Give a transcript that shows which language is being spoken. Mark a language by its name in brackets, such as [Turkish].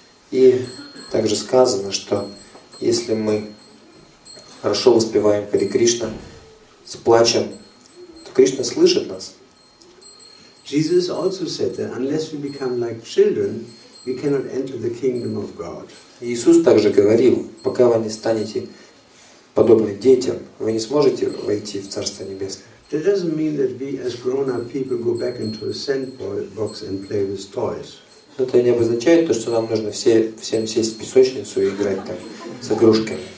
[Russian] И также сказано, что если мы хорошо воспеваем Хари Кришна, с плачем, то Кришна слышит нас. [English] Jesus also said that unless we become like children, we cannot enter the kingdom of God. [Russian] Иисус также говорил, пока вы не станете подобны детям, вы не сможете войти в Царство Небесное. Но это не обозначает то, что нам нужно всем сесть в песочницу и играть там с игрушками.